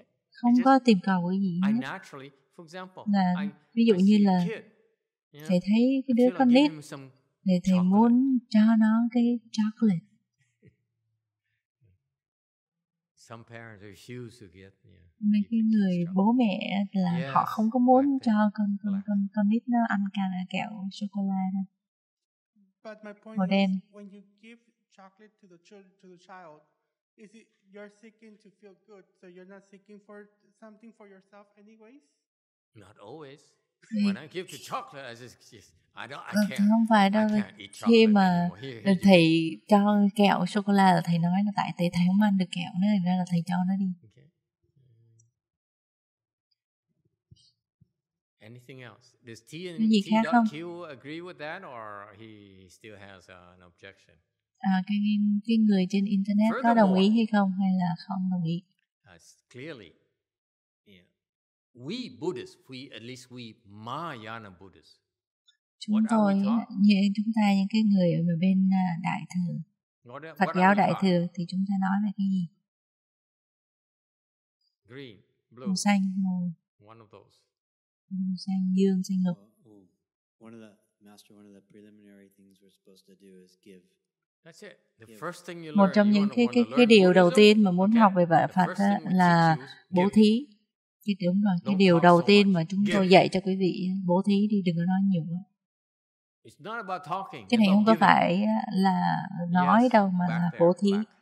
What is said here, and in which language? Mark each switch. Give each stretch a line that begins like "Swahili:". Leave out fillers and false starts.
Vietnamese: Không có tìm cầu cái gì hết. Là, ví dụ như là thầy thấy cái đứa con nít thì thầy muốn cho nó cái chocolate.
English: Some parents refuse to get,
Vietnamese: mấy cái người bố mẹ là họ không có muốn cho con nít nó ăn kẹo sô cô la đâu.
English: But my point is, then, when you give chocolate to the child, is it you're seeking to feel good, so you're not seeking for something for yourself anyways? Not always. When I give the chocolate, I can't.
Vietnamese: Thì không phải đâu. Khi mà thầy cho kẹo sô cô la là thầy nói là tại thầy không ăn được kẹo nữa, nên là thầy cho nó đi. Okay.
English: Anything else? Does T.Q. agree with that, or he still has an objection?
Vietnamese: Cái người trên internet có đồng ý hay không, hay là không đồng ý?
English: Clearly, yeah. We Buddhists, we at least we Mahayana Buddhists.
Vietnamese: Chúng tôi, những chúng ta những cái người ở bên đại thừa, Phật giáo đại thừa, thì chúng ta nói về cái gì?
English: Green, blue.
Vietnamese: Màu xanh, màu.
English: One of those.
Vietnamese: Màu xanh dương, xanh lục.
English: One of the preliminary things we're supposed to do is give. That's it. The first thing you learn.
Vietnamese: Một trong những cái điều đầu tiên mà muốn học về vợ Phật là bố thí. Chứ đúng rồi, cái điều đầu tiên mà chúng tôi dạy cho quý vị, bố thí đi, đừng có nói nhiều.
English: It's not about talking.
Vietnamese: Cái này không có phải là nói đâu mà là bố thí.